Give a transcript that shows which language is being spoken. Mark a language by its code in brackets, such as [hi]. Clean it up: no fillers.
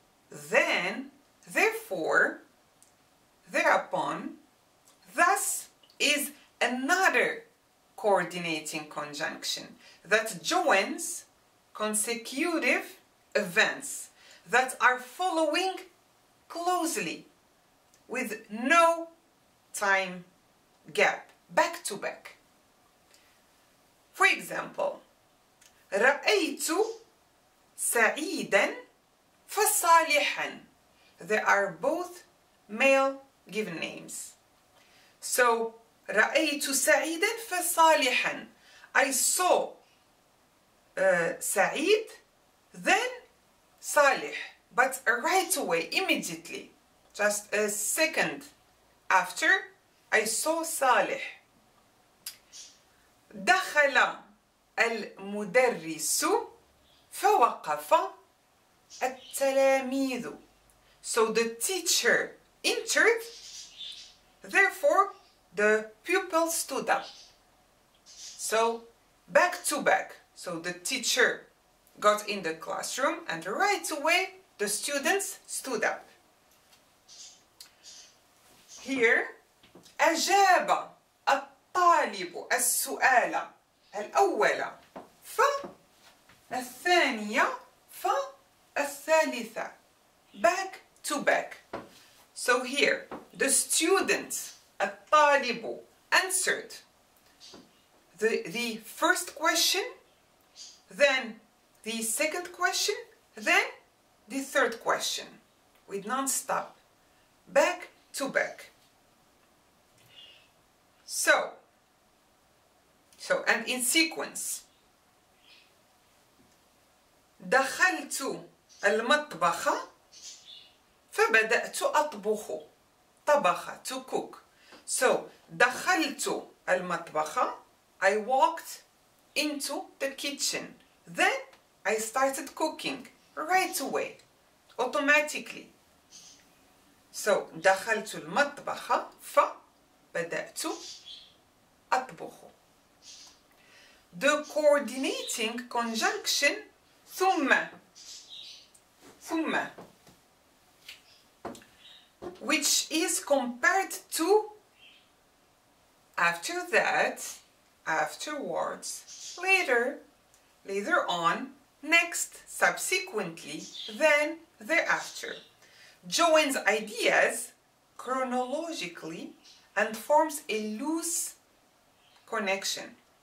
[en] then, therefore, thereupon, thus is another coordinating conjunction that joins consecutive events that are following closely with no time gap, back to back. [ar] For example, رأيت سعيدا فصالحا. [en] They are both male given names. [ar] So رأيت سعيدا فصالحا. [en] I saw سعيد then صالح, but right away, immediately, just a second after, I saw صالح. [ar] دخل المدرس فوقف التلاميذ. [en] So the teacher entered, therefore the pupil stood up. So back to back. So the teacher got in the classroom and right away the students stood up. [ar] Here, أجاب الطالب السؤال الأول ف الثانية ف الثالثة. [en] Back to back. So here, the student, الطالب, answered the first question, then the second question, then the third question, with non-stop, back to back. So, and in sequence. [ar] دخلت المطبخ فبدأت أطبخ. [en] طبخ, to cook. [ar] So, دخلت المطبخ. [en] I walked into the kitchen. Then I started cooking right away, automatically. [ar] So, دخلت المطبخ فبدأت أطبخ. [en] The coordinating conjunction ثم, which is compared to after that, afterwards, later on, next, subsequently, then, thereafter, joins ideas chronologically and forms a loose connection.